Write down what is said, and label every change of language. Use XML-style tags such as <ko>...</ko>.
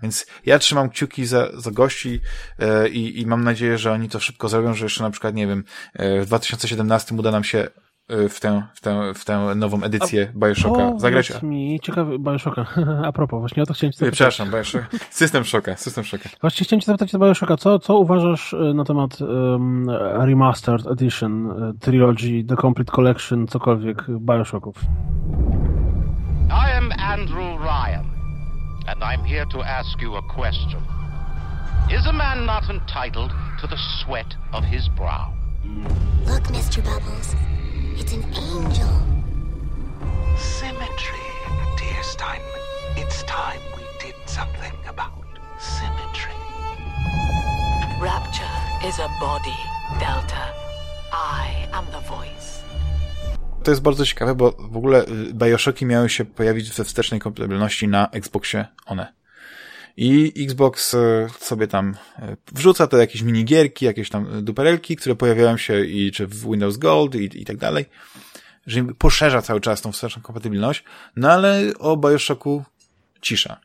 <pl>Więc ja trzymam kciuki za gości i mam nadzieję, że oni to szybko zrobią, że jeszcze na przykład, nie wiem, w 2017 uda nam się w tę nową edycję Bioshocka zagrać. Powiedz mi, ciekawy Bioshocka, a propos, właśnie o to chciałem ci zapytać. Przepraszam, Bioshock. System Shocka. Właśnie chciałem ci zapytać o Bioshocka, co uważasz na temat Remastered Edition, Trilogy, The Complete Collection, cokolwiek Bioshocków?</pl> <en>I am Andrew Ryan and I'm here to ask you a question. Is a man not entitled to the sweat of his brow? Look, Mr. Bubbles. It's an angel. Symmetry, dear Steinman. It's time we did something about symmetry. Rapture is a body, Delta. I am the voice.</en> <pl>to jest bardzo ciekawe, bo w ogóle Bioshocki miały się pojawić we wstecznej kompatybilności na Xboxie One. I Xbox sobie tam wrzuca te jakieś minigierki, jakieś tam duperelki, które pojawiają się i czy w Windows Gold i tak dalej, że poszerza cały czas tą wsteczną kompatybilność, no ale o Bioshocku cisza.</pl>